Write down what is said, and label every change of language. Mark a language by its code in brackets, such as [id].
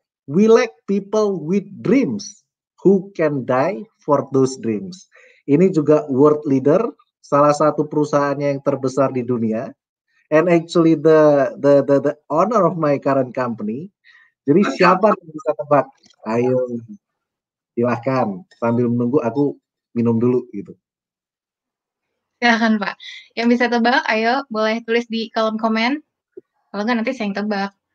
[en] We lack people with dreams who can die for those dreams. [id] Ini juga world leader, salah satu perusahaannya yang terbesar di dunia. [en] And actually the owner of my current company. [id] Jadi siapa yang bisa tebak? Ayo, silahkan. Sambil menunggu, aku minum dulu gitu. Silahkan, Pak. Yang bisa tebak, ayo boleh tulis di kolom komen. Kalau enggak, nanti saya yang tebak.